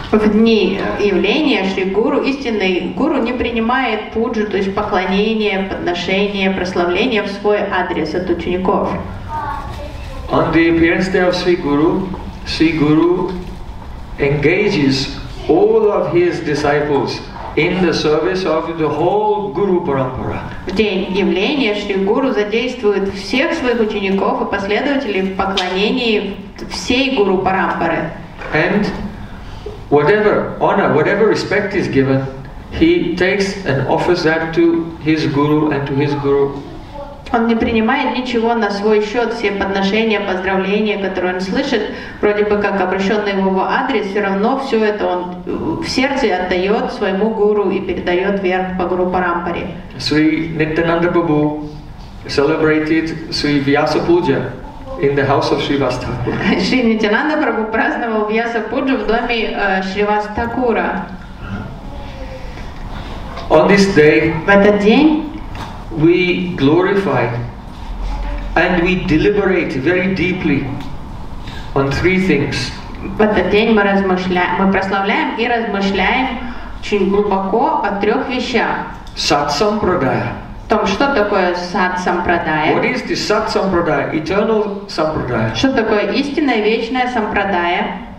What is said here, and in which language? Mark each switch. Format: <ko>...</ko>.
<ru>В дни явления Шри Гуру, истинный Гуру не принимает пуджу, то есть поклонение, подношение, прославление в свой адрес от учеников.</ru> <en>On the appearance day of Sri Guru, Sri Guru engages all of his disciples in the service of the whole Guru Parampara.</en> <ru>В день явления Шри Гуру задействует всех своих учеников и последователей в поклонении всей Гуру Парампары.</ru> <en>And whatever honor, whatever respect is given, he takes and offers that to his guru and to his guru.</en> <ru>Он не принимает ничего на свой счет, все подношения, поздравления, которые он слышит, вроде бы как обращенные в его адрес, все равно все это он в сердце отдает своему гуру и передает вверх по гуру Парампаре.</ru> <en>Sri Nityananda Babu celebrated Sri Vyasa Puja in the house of Sri Vastakura.</en> <ru>Шри Нитянанда Прабху праздновал Вьяса Пуджу в доме Шри Вастакура.</ru> <en>On this day,</en> <ru>в этот день,</ru> <en>we glorify and we deliberate very deeply on three things.</en> <ru>В этот день мы размышляем, мы прославляем и размышляем очень глубоко о трех вещах. Сат-сампрадая. В том, что такое сат-сампрадая.</ru> <en>What is the сат-сампрадая? Eternal сампрадая.</en> <ru>Что такое истинная вечная сампрадая?</ru>